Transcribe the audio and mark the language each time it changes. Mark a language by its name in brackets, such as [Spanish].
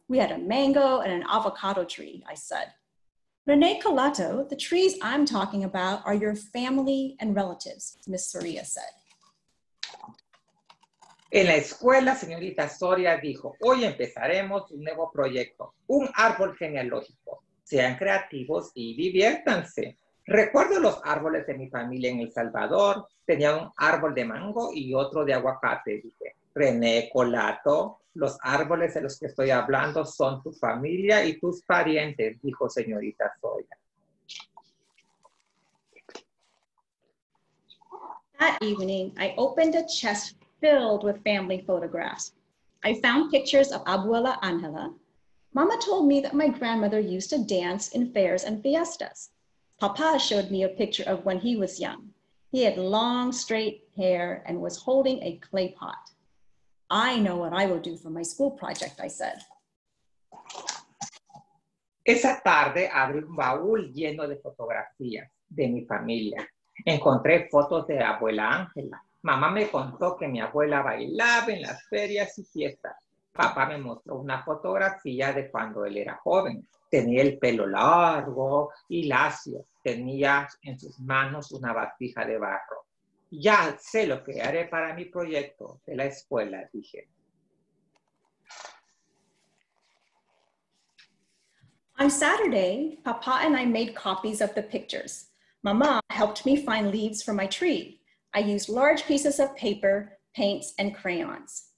[English] We had a mango and an avocado tree," I said. "René Colato, the trees I'm talking about are your family and relatives," Miss Soria said. [Spanish] En la escuela, señorita Soria dijo, "Hoy empezaremos un nuevo proyecto, un árbol genealógico. Sean creativos y diviértanse." Recuerdo los árboles de mi familia en El Salvador. Tenía un árbol de mango y otro de aguacate, dije. "René Colato, los árboles de los que estoy hablando son tu familia y tus parientes," dijo señorita Soya. [English] That evening, I opened a chest filled with family photographs. I found pictures of Abuela Angela. Mama told me that my grandmother used to dance in fairs and fiestas. Papa showed me a picture of when he was young. He had long, straight hair and was holding a clay pot. "I know what I will do for my school project," I said. [Spanish] Esa tarde abrí un baúl lleno de fotografías de mi familia. Encontré fotos de abuela Ángela. Mamá me contó que mi abuela bailaba en las ferias y fiestas. Papá me mostró una fotografía de cuando él era joven. Tenía el pelo largo y lacio. Tenía en sus manos una vasija de barro. "Ya sé lo que haré para mi proyecto de la escuela," dije. [English] On Saturday, Papa and I made copies of the pictures. Mama helped me find leaves for my tree. I used large pieces of paper, paints, and crayons.